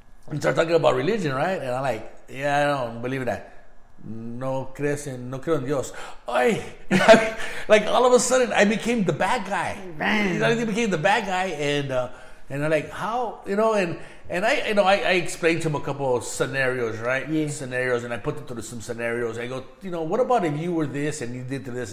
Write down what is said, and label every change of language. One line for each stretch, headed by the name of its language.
English: We start talking about religion, right? And I'm like, yeah, I don't believe that.
Spanish: No crees en, no creo en Dios.
English: Ay, like all of a sudden, I became the bad guy. Man. I became the bad guy, and I'm like, how, you know? And I, you know, I explained to him a couple of scenarios, right? Yeah. Scenarios, and I put them through some scenarios. I go, you know, what about if you were this and you did this?